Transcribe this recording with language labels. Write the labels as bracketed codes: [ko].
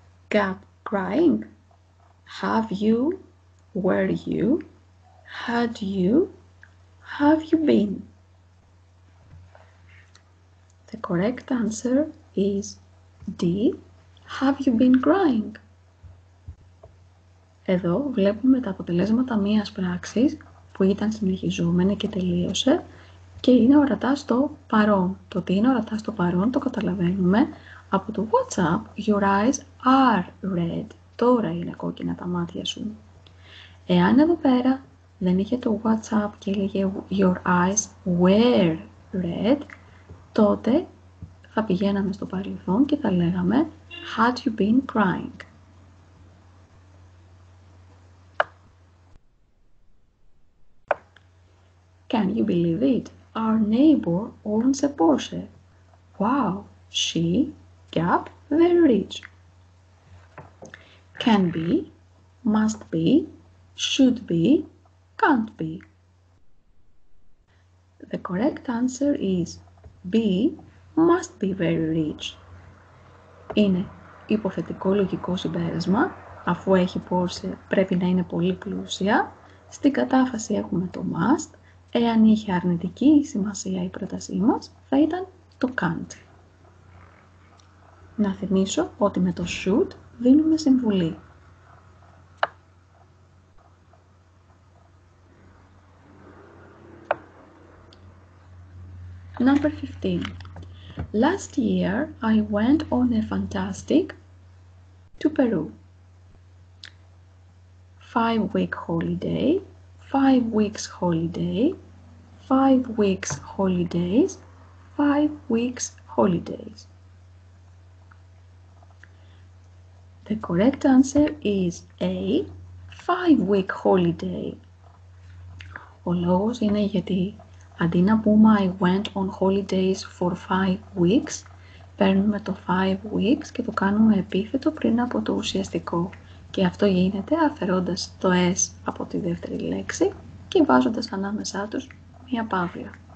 [en] Gap crying, have you, were you, had you, have you been? The correct answer is D, have you been crying? [el] Εδώ βλέπουμε τα αποτελέσματα μίας πράξης που ήταν συνεχιζόμενη και τελείωσε Και είναι ορατά στο παρόν. Το ότι είναι ορατά στο παρόν το καταλαβαίνουμε από το WhatsApp. [en] Your eyes are red. [el] Τώρα είναι κόκκινα τα μάτια σου. Εάν εδώ πέρα δεν είχε το WhatsApp και έλεγε [en] Your eyes were red, [el] τότε θα πηγαίναμε στο παρελθόν και θα λέγαμε [en] Had you been crying? Can you believe it? Our neighbor owns a Porsche. Wow, she got very rich. Can be, must be, should be, can't be. The correct answer is B, must be very rich. [el] Είναι υποθετικό λογικό συμπέρασμα, αφού έχει Porsche πρέπει να είναι πολύ πλούσια. Στην κατάφαση έχουμε το must. Εάν είχε αρνητική σημασία η πρότασή μας, θα ήταν το can't. Να θυμίσω ότι με το should δίνουμε συμβουλή. [en] Number 15. Last year I went on a fantastic to Peru. 5-week holiday, 5 weeks holiday, 5 weeks holidays, 5 weeks holidays. The correct answer is A, 5 week holiday. [el] Ο λόγος είναι γιατί αντί να πούμε [en] I went on holidays for 5 weeks, [el] παίρνουμε το 5 weeks και το κάνουμε επίθετο πριν από το ουσιαστικό. Και αυτό γίνεται αφαιρώντας το S από τη δεύτερη λέξη και βάζοντας ανάμεσά τους μία παύλα.